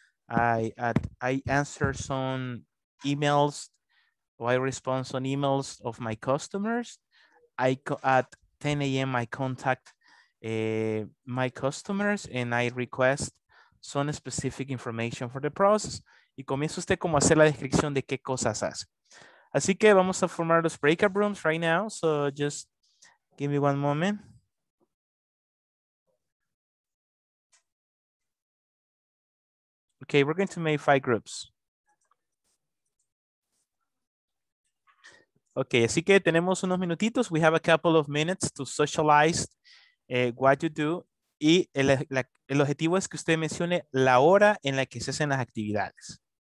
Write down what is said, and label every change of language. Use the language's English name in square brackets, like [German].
[English] I answer some emails, or I respond some emails of my customers. At 10 a.m., I contact my customers and I request some specific information for the process. [Spanish] Y comienza usted como a hacer la descripción de qué cosas hace. Así que vamos a formar los [English] breakout rooms right now. So just give me one moment. Okay, we're going to make 5 groups. [Spanish] Okay, así que tenemos unos minutitos. [English] We have a couple of minutes to socialize what you do. [Spanish] Y el objetivo es que usted mencione la hora en la que se hacen las actividades.